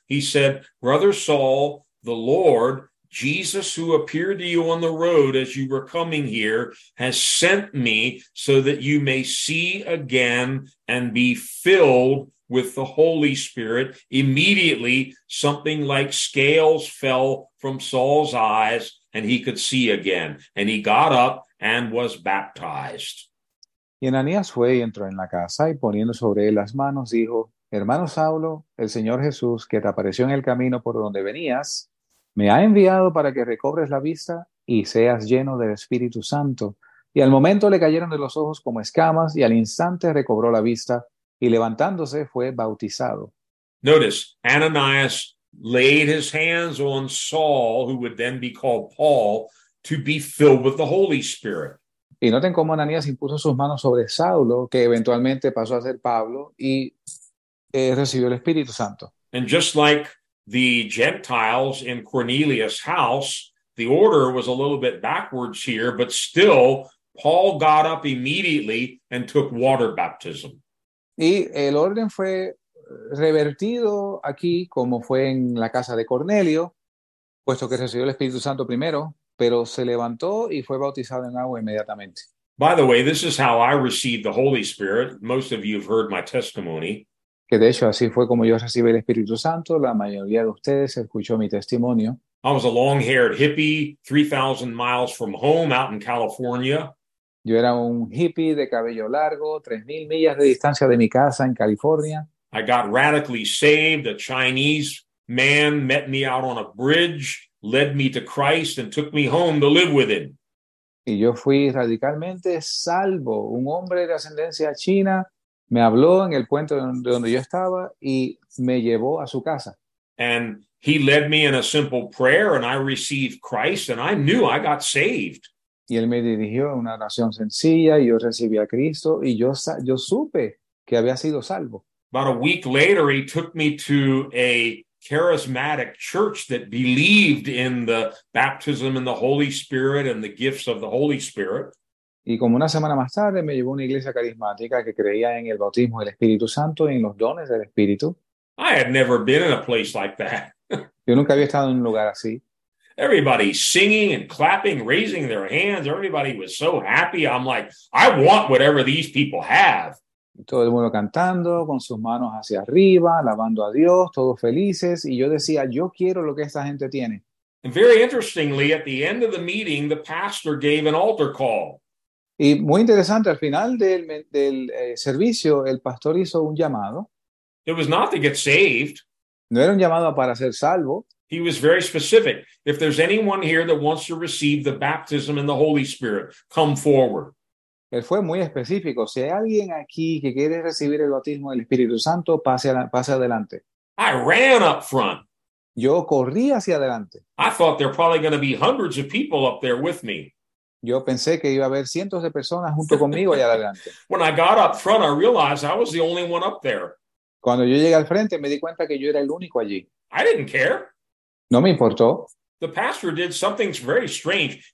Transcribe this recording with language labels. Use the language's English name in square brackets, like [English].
[English] He said, Brother Saul, the Lord, Jesus, who appeared to you on the road as you were coming here, has sent me so that you may see again and be filled with the Holy Spirit. Immediately, something like scales fell from Saul's eyes and he could see again. And he got up and was baptized. [Spanish] Y Ananías fue y entró en la casa y poniendo sobre él las manos, dijo, Hermano Saulo, el Señor Jesús, que te apareció en el camino por donde venías, me ha enviado para que recobres la vista y seas lleno del Espíritu Santo. Y al momento le cayeron de los ojos como escamas, y al instante recobró la vista, y levantándose fue bautizado. [English] Notice, Ananias laid his hands on Saul, who would then be called Paul, to be filled with the Holy Spirit. [Spanish] Y noten cómo Ananías impuso sus manos sobre Saulo, que eventualmente pasó a ser Pablo, y recibió el Espíritu Santo. [English] And just like the Gentiles in Cornelius' house, the order was a little bit backwards here, but still, Paul got up immediately and took water baptism. [Spanish] Y el orden fue revertido aquí, como fue en la casa de Cornelio, puesto que recibió el Espíritu Santo primero, pero se levantó y fue bautizado en agua inmediatamente. [English] By the way, this is how I received the Holy Spirit. Most of you have heard my testimony. [Spanish] Que de hecho, así fue como yo recibí el Espíritu Santo. La mayoría de ustedes escuchó mi testimonio. [English] I was a long-haired hippie, 3,000 miles from home out in California. [Spanish] Yo era un hippie de cabello largo, 3,000 millas de distancia de mi casa en California. [English] I got radically saved. A Chinese man met me out on a bridge, led me to Christ, and took me home to live with him. [Spanish] Y yo fui radicalmente salvo. Un hombre de ascendencia china me habló en el puente de donde yo estaba y me llevó a su casa. [English] And he led me in a simple prayer, and I received Christ, and I knew I got saved. [Spanish] Y él me dirigió a una oración sencilla, y yo recibí a Cristo, y yo supe que había sido salvo. [English] About a week later, he took me to a charismatic church that believed in the baptism in the Holy Spirit and the gifts of the Holy Spirit. [Spanish] Y como una semana más tarde, me llevó a una iglesia carismática que creía en el bautismo del Espíritu Santo y en los dones del Espíritu. [English] I had never been in a place like that. [Spanish] Yo nunca había estado en un lugar así. [English] Everybody singing and clapping, raising their hands. Everybody was so happy. I'm like, I want whatever these people have. [Spanish] Todo el mundo cantando, con sus manos hacia arriba, alabando a Dios, todos felices. Y yo decía, yo quiero lo que esta gente tiene. [English] And very interestingly, at the end of the meeting, the pastor gave an altar call. [Spanish] Y muy interesante, al final del servicio, el pastor hizo un llamado. [English] It was not to get saved. [Spanish] No era un llamado para ser salvo. [English] He was very specific. If there's anyone here that wants to receive the baptism in the Holy Spirit, come forward. [Spanish] Él fue muy específico. Si hay alguien aquí que quiere recibir el bautismo del Espíritu Santo, pase adelante. [English] I ran up front. [Spanish] Yo corrí hacia adelante. [English] I thought there were probably going to be hundreds of people up there with me. [Spanish] Yo pensé que iba a haber cientos de personas junto conmigo allá adelante. [English] When I got up front, I realized I was the only one up there. [Spanish] Cuando yo llegué al frente, me di cuenta que yo era el único allí. [English] I didn't care. [Spanish] No me importó. [English] The pastor did something very strange.